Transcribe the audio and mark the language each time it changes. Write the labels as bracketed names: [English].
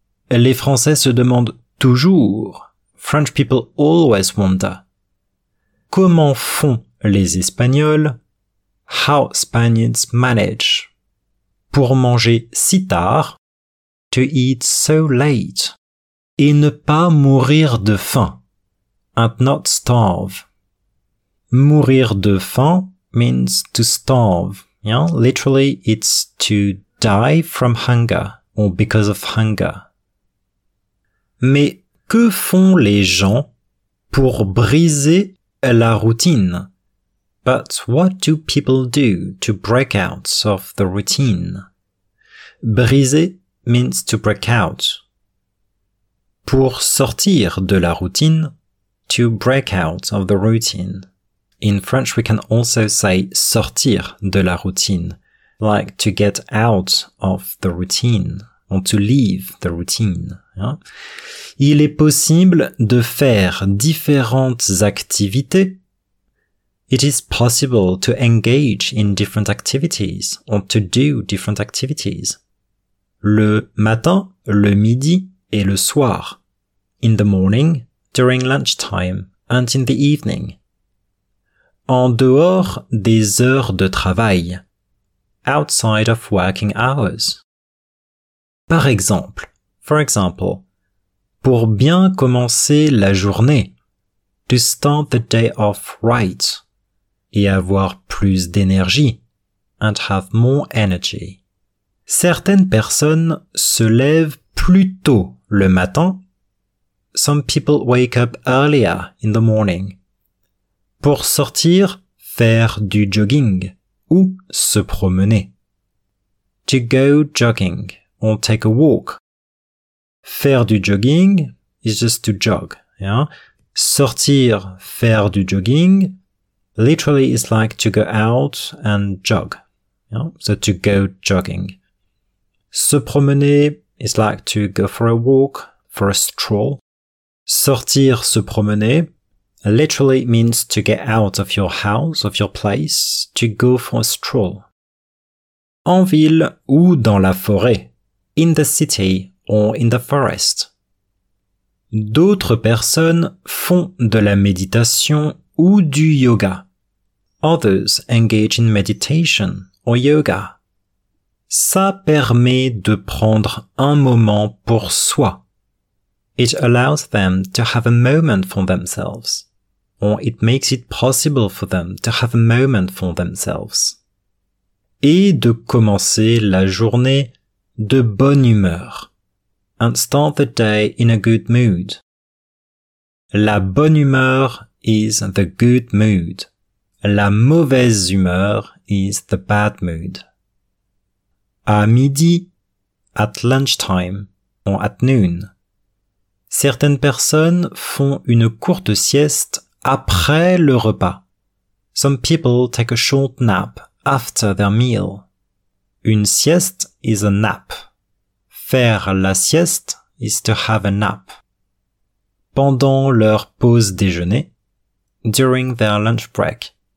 [French] Les Français se demandent toujours. [English] French people always wonder. [French] Comment font les Espagnols? [English] How Spaniards manage. [French] Pour manger si tard. [English] To eat so late. [French] Et ne pas mourir de faim. [English] And not starve. [French] Mourir de faim [English] means to starve. Yeah? Literally, it's to die from hunger or because of hunger. [French] Mais que font les gens pour briser la routine? [English] But what do people do to break out of the routine? Briser means to break out. [French] Pour sortir de la routine, [English] to break out of the routine. In French, we can also say [French] sortir de la routine, [English] like to get out of the routine, or to leave the routine. Yeah? [French] Il est possible de faire différentes activités. [English] It is possible to engage in different activities, or to do different activities. [French] Le matin, le midi et le soir. [English] In the morning, during lunchtime, and in the evening. [French] En dehors des heures de travail. [English] Outside of working hours. [French] Par exemple, [English] for example, [French] pour bien commencer la journée, [English] to start the day off right, [French] et avoir plus d'énergie, [English] and have more energy. [French] Certaines personnes se lèvent plus tôt le matin. [English] Some people wake up earlier in the morning. [French] Pour sortir, faire du jogging ou se promener. [English] To go jogging or take a walk. [French] Faire du jogging [English] is just to jog. Yeah? [French] Sortir, faire du jogging [English] literally is like to go out and jog. Yeah? So to go jogging. [French] Se promener [English] is like to go for a walk, for a stroll. [French] Sortir se promener [English] literally means to get out of your house, of your place, to go for a stroll. [French] En ville ou dans la forêt. [English] In the city or in the forest. [French] D'autres personnes font de la méditation ou du yoga. [English] Others engage in meditation or yoga. [French] Ça permet de prendre un moment pour soi. [English] It allows them to have a moment for themselves. Or it makes it possible for them to have a moment for themselves. [French] Et de commencer la journée de bonne humeur. [English] And start the day in a good mood. [French] La bonne humeur [English] is the good mood. [French] La mauvaise humeur [English] is the bad mood. [French] À midi, [English] at lunchtime, or at noon. [French] Certaines personnes font une courte sieste après le repas. [English] Some people take a short nap after their meal. [French] Une sieste [English] is a nap. [French] Faire la sieste [English] is to have a nap. [French] Pendant leur pause déjeuner, [English] during their lunch break.